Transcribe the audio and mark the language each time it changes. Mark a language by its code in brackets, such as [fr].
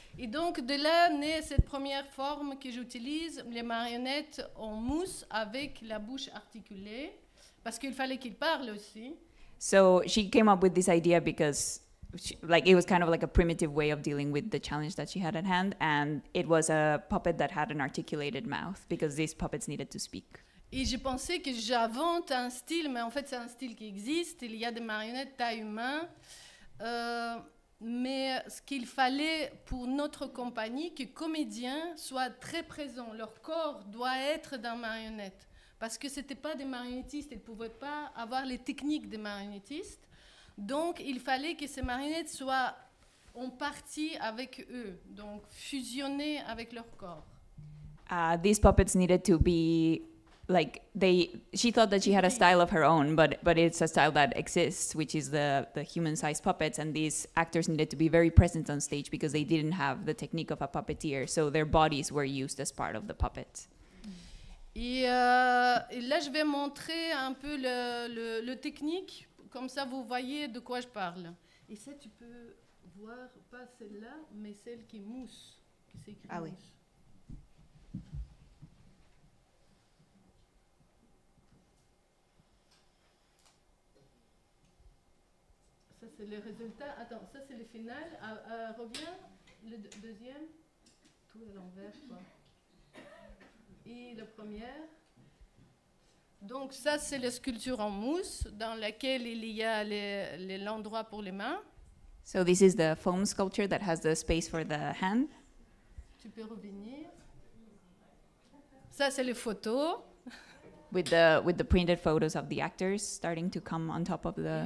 [fr] Et donc de là naît cette première forme que j'utilise, les marionnettes en mousse avec la bouche articulée, parce qu'il fallait qu'ils parlent aussi. [en] So she came up with this idea because it was kind of like a primitive way of dealing with the challenge that she had at hand, and it was a puppet that had an articulated mouth because these puppets needed to speak. [fr] Et je pensais que j'invente un style, mais en fait c'est un style qui existe. Il y a des marionnettes taille humaine. Mais ce qu'il fallait pour notre compagnie, que comédiens soient très présents, leur corps doit être dans marionnette. Parce que ce n'étaient pas des marionnettistes, ils ne pouvaient pas avoir les techniques des marionnettistes. Donc il fallait que ces marionnettes soient en partie avec eux, donc fusionnées avec leur corps. [en] These puppets needed to be like they. She thought that she had a style of her own, but it's a style that exists, which is the human-sized puppets. And these actors needed to be very present on stage because they didn't have the technique of a puppeteer, so their bodies were used as part of the puppet. [fr] Et là, je vais montrer un peu le technique, comme ça vous voyez de quoi je parle. Et ça, tu peux voir pas celle-là, mais celle qui mousse, qui s'écrit. Ah oui. C'est le résultat. Attends, ça c'est le final. Reviens, le deuxième. Tout à l'envers, quoi. Et la première. Donc ça c'est la sculpture en mousse dans laquelle il y a l'endroit pour les mains. [en] So this is the foam sculpture that has the space for the hand. [fr] Tu peux revenir. Ça c'est les photos. [en] With the printed photos of the actors starting to come on top of the.